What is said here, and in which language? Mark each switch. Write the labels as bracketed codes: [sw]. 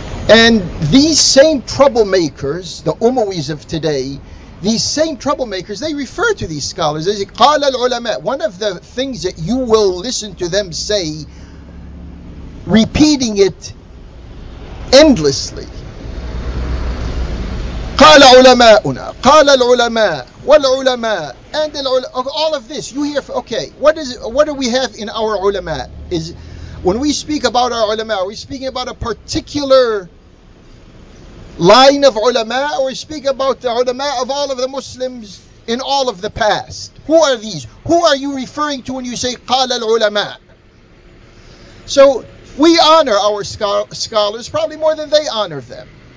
[en] And these same troublemakers, the Umayyads of today, these same troublemakers, they refer to these scholars. They say, [ar] قال العلماء, [en] one of the things that you will listen to them say, repeating it endlessly. [ar] قال علماؤنا, قال العلماء, والعلماء, [en] and all of this. You hear, okay, what do we have in our ulama? Is when we speak about our ulama, are we speaking about a particular line of ulama, or speak about the ulama of all of the Muslims in all of the past? Who are these? Who are you referring to when you say [ar] قال العلماء? [en] So we honor our scholars probably more than they honor them.